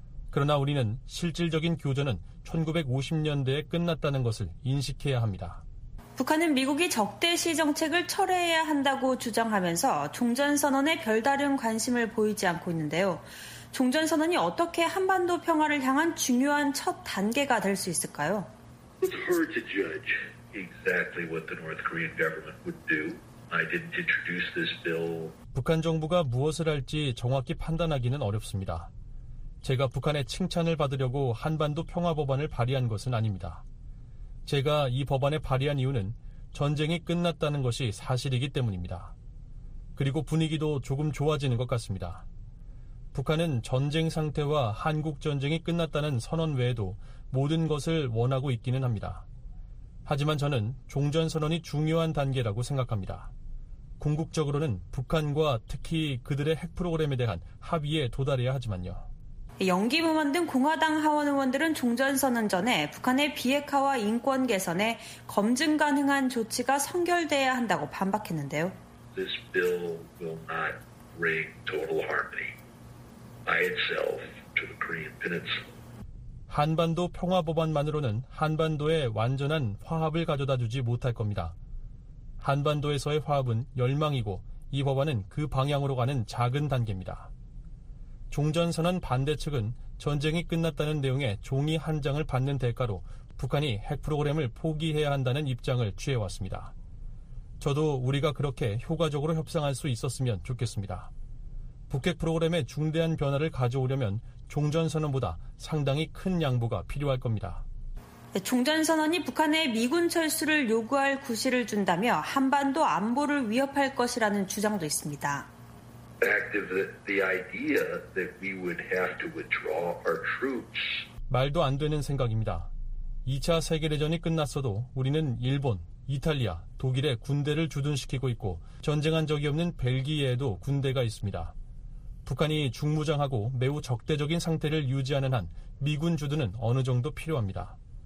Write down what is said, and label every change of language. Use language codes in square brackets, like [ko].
[ko] 그러나 우리는 실질적인 교전은 1950년대에 끝났다는 것을 인식해야 합니다. 북한은 미국이 적대시 정책을 철회해야 한다고 주장하면서 종전선언에 별다른 관심을 보이지 않고 있는데요. 종전선언이 어떻게 한반도 평화를 향한 중요한 첫 단계가 될 수 있을까요? [en] It's hard to judge exactly what the North Korean government would do. I didn't introduce this bill. [ko] 북한 정부가 무엇을 할지 정확히 판단하기는 어렵습니다. 제가 북한의 칭찬을 받으려고 한반도 평화 법안을 발의한 것은 아닙니다. 제가 이 법안에 발의한 이유는 전쟁이 끝났다는 것이 사실이기 때문입니다. 그리고 분위기도 조금 좋아지는 것 같습니다. 북한은 전쟁 상태와 한국 전쟁이 끝났다는 선언 외에도 모든 것을 원하고 있기는 합니다. 하지만 저는 종전선언이 중요한 단계라고 생각합니다. 궁극적으로는 북한과 특히 그들의 핵 프로그램에 대한 합의에 도달해야 하지만요. 영기무원 등 공화당 하원 의원들은 종전선언 전에 북한의 비핵화와 인권 개선에 검증 가능한 조치가 선결돼야 한다고 반박했는데요. [en] This bill will not bring total harmony by itself to the Korean Peninsula. [ko] 한반도 평화법안만으로는 한반도에 완전한 화합을 가져다주지 못할 겁니다. 한반도에서의 화합은 열망이고 이 법안은 그 방향으로 가는 작은 단계입니다. 종전선언 반대 측은 전쟁이 끝났다는 내용의 종이 한 장을 받는 대가로 북한이 핵 프로그램을 포기해야 한다는 입장을 취해왔습니다. 저도 우리가 그렇게 효과적으로 협상할 수 있었으면 좋겠습니다. 북핵 프로그램의 중대한 변화를 가져오려면 종전선언보다 상당히 큰 양보가 필요할 겁니다. 종전선언이 북한에 미군 철수를 요구할 구실을 준다며 한반도 안보를 위협할 것이라는 주장도 있습니다. [en] The idea that we would have to withdraw our troops. [ko] 말도 안 되는 생각입니다. 2차 세계대전이 끝났어도 우리는 일본, 이탈리아, 독일에 군대를 주둔시키고 있고 전쟁한 적이 없는 벨기에에도 군대가 있습니다. 북한이 중무장하고 매우 적대적인 상태를 유지하는 한 미군 주둔은 어느 정도 필요합니다.